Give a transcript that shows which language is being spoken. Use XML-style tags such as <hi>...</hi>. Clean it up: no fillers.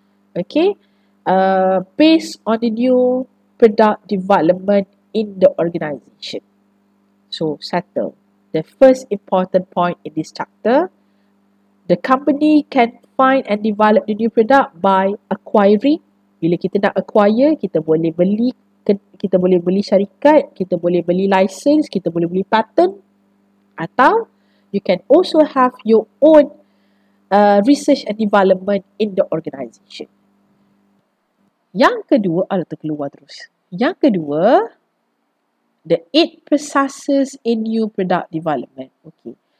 <en>Okay, based on the new product development in the organization. So settle. The first important point in this chapter, the company can find and develop the new product by acquiring.</en> <ms>Bila kita nak acquire, kita boleh beli syarikat, kita boleh beli license, kita boleh beli patent. Atau</ms> <en>you can also have your own research and development in the organization.</en> <ms>Yang kedua, ada terkeluar terus. Yang kedua,</ms> <en>the 8 processes in new product development. Okay.</en>